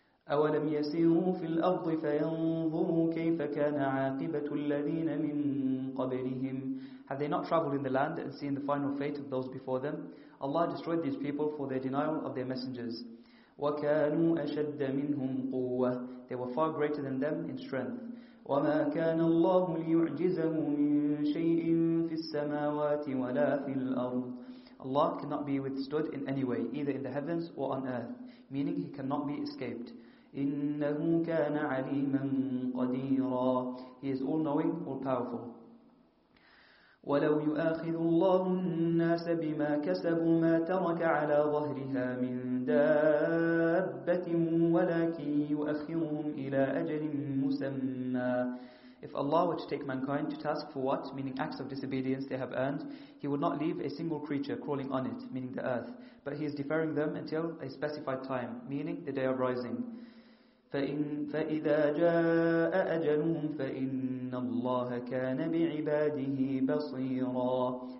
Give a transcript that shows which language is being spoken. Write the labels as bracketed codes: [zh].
[ar] أَوَلَمْ يَسِيرُوا فِي الْأَرْضِ فَيَنْظُرُوا كَيْفَ كَانَ عَاقِبَةُ الَّذِينَ مِنْ قَبْلِهِمْ. [en] Have they not travelled in the land and seen the final fate of those before them? Allah destroyed these people for their denial of their messengers. [ar] وَكَانُوا أَشَدَّ مِنْهُمْ قُوَّةً. [en] They were far greater than them in strength. [ar] وما كان الله ليعجزه من شيء في السماوات ولا في الأرض. [en] Allah cannot be withstood in any way, either in the heavens or on earth, meaning he cannot be escaped. [ar] إنه كان عليما قديرا. [en] He is all-knowing, all-powerful. [ar] ولو يؤاخذ الله الناس بما كسبوا ما ترك على ظهرها من دابة ولكن يؤخرهم إلى أجل مسمى. [en] If Allah were to take mankind to task for what, meaning acts of disobedience they have earned, He would not leave a single creature crawling on it, meaning the earth, but He is deferring them until a specified time, meaning the day of rising. [ar] فَإِذَا جَاءَ أَجَلُهُمْ فَإِنَّ اللَّهَ كَانَ بِعِبَادِهِ بَصِيرًا.